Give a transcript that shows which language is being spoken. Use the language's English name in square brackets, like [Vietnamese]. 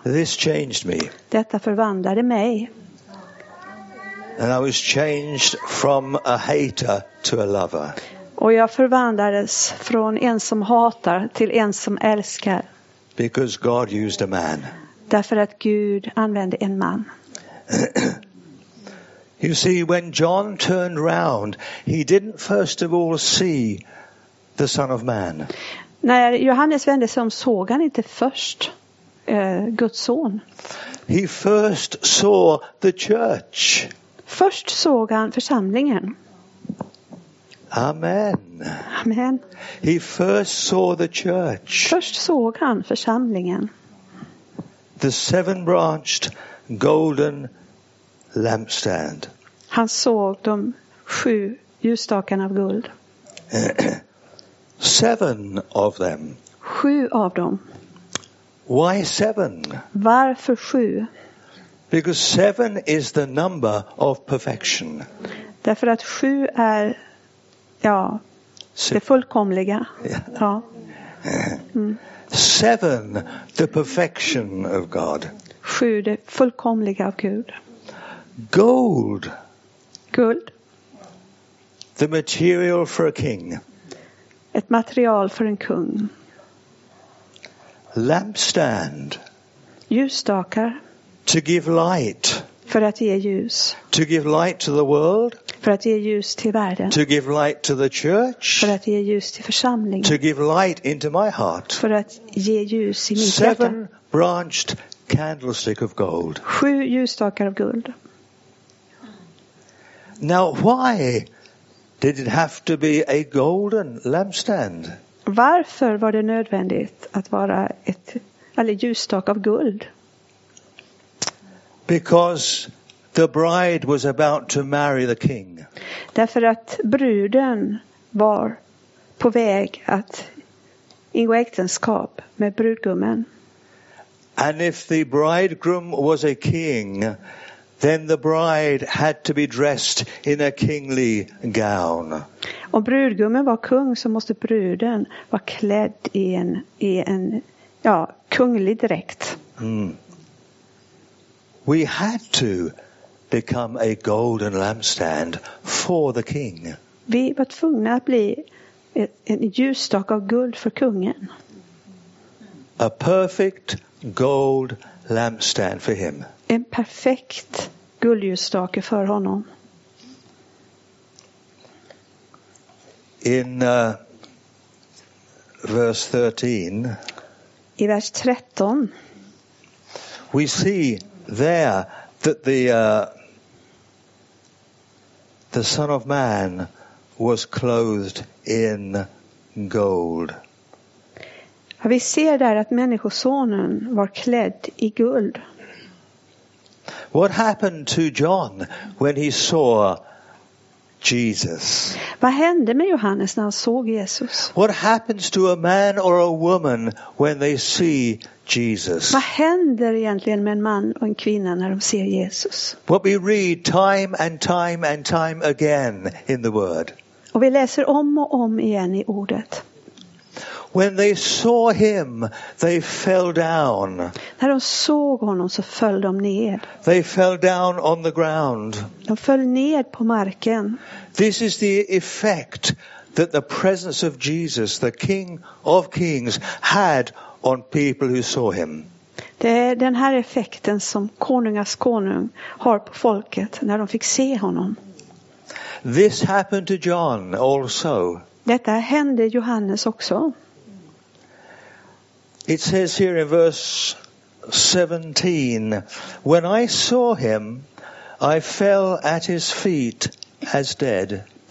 [English] This changed me. [Swedish] Detta förvandlade mig. [English] And I was changed from a hater to a lover. [Swedish] Och jag förvandlades från en som hatar till en som älskar. [English] Because God used a man. [Swedish] Därför att Gud använde en man. [English] You see, when John turned round, he didn't first of all see the Son of Man. [Swedish] När Johannes vände sig om såg han inte först Guds son. [English] He first saw the church. [Swedish] Först såg han församlingen. [English] Amen. [Swedish] Amen. [English] He first saw the church. [Swedish] Först såg han församlingen. [English] The seven-branched golden lampstand. [Swedish] Han såg de sju ljusstakarna av guld. [English] Seven of them. [Swedish] Sju av dem. [English] Why seven? [Swedish] Varför sju? [English] Because seven is the number of perfection. [Swedish] Därför att sju är det fullkomliga. Ja. [English] Seven, the perfection of God. [Swedish] Sju, det fullkomliga av Gud. [English] Gold. [Swedish] Guld. [English] The material for a king. [Swedish] Ett material för en kung. [English] Lampstand. [Swedish] Ljusstakar. [English] To give light. [Swedish] För att ge ljus. [English] To give light to the world. [Swedish] För att ge ljus till världen. [English] To give light to the church. [Swedish] För att ge ljus till församlingen. [English] To give light into my heart. [Swedish] För att ge ljus i mitt hjärta. [English] Seven branched candlestick of gold. [Swedish] Sju ljusstakar av guld. [English] Now, why did it have to be a golden lampstand? [Swedish] Varför var det nödvändigt att vara ett ljusstak av guld? [English] Because the bride was about to marry the king. [Swedish] Därför att bruden var på väg att ingå äktenskap med brudgummen. [English] And if the bridegroom was a king, then the bride had to be dressed in a kingly gown. [Swedish] Om brudgummen var kung så måste bruden vara klädd i en kunglig dräkt. Mm. [English] We had to become a golden lampstand for the king. [Swedish] Vi var tvungna att bli en ljusstak av guld för kungen. [English] A perfect gold lampstand for him. [Swedish] En perfekt guldljusstake för honom. [English] In verse 13. [Swedish] I vers 13. [English] We see there that the Son of Man was clothed in gold. [Swedish] Vi ser där att människosonen var klädd i guld. [English] What happened to John when he saw Jesus? [Swedish] Vad hände med Johannes när han såg Jesus? [English] What happens to a man or a woman when they see Jesus? [Swedish] Vad händer egentligen med en man och en kvinna när de ser Jesus? [English] What we read time and time and time again in the word. [Swedish] Och vi läser om och om igen i ordet. [English] When they saw him, they fell down. [Swedish] När de såg honom så föll de ned. [English] They fell down on the ground. [Swedish] De föll ned på marken. [English] This is the effect that the presence of Jesus, the King of Kings, had on people who saw him. [Swedish] Det är den här effekten som konungas konung har på folket när de fick se honom. [English] This happened to John also. [Swedish] Detta hände Johannes också. [English] It says here in verse 17, when I saw him, I fell at his feet as dead.